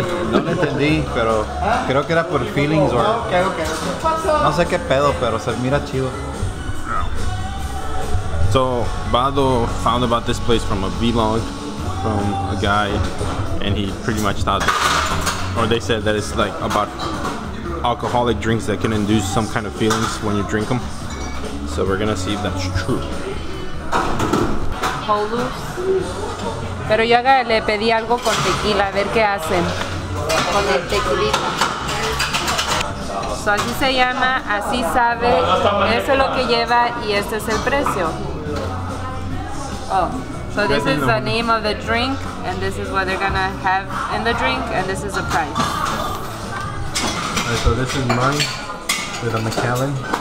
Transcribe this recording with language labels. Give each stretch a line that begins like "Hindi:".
Spanish: No lo entendí, pero creo que era por
English: feelings or.
Spanish: No sé qué pedo, pero se mira chido.
English: So Bado found about this place from a vlog from a guy, and he pretty much thought that, or they said that it's like about alcoholic drinks that can induce some kind of feelings when you drink them. So we're gonna see if that's true.
Spanish: Pero yo le pedí algo con tequila, a ver qué hacen con el tequilito. So así se llama, así sabe, eso es lo que lleva y este es el precio.
English: Oh, so this is the name of the drink, and this is what they're gonna have in the drink, and this is the price. Alright, so this is mine with a Macallan.